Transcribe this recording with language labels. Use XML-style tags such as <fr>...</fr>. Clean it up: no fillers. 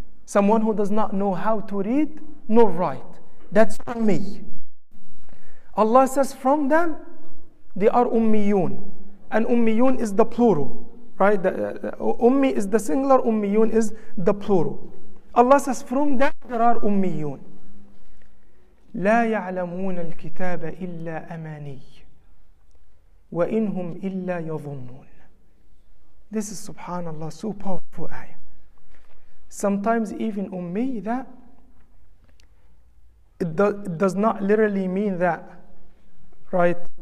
<en>Someone who does not know how to read nor write. That's ummi. Allah says from them, they are ummiyun. And ummiyun is the plural. Right? Ummi is the singular, ummiyun is the plural. Allah says, from that there are ummiyun.</en> <ar>لا يعلمون الكتاب إلا أماني وإنهم إلا يظنون.</ar> <en>This is subhanAllah, so powerful ayah. Sometimes even ummi, that it does not literally mean that, right?</en>